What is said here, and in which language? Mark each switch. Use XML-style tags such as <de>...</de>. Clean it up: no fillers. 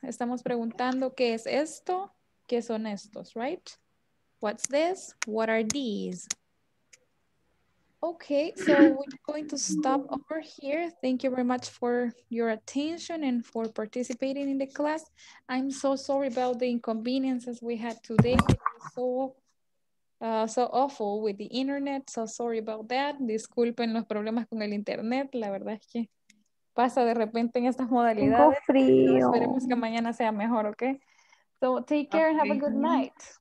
<es>Estamos preguntando qué es esto, qué son estos, right?</es> <en>What's this? What are these? Okay, so we're going to stop over here. Thank you very much for your attention and for participating in the class. I'm so sorry about the inconveniences we had today. It was so awful with the internet. So sorry about that.</en> <es>Disculpen los problemas con el internet. La verdad es que pasa de repente en estas modalidades. Tengo frío. Esperemos que mañana sea mejor, okay?</es> <en>So take care and have a good night.</en>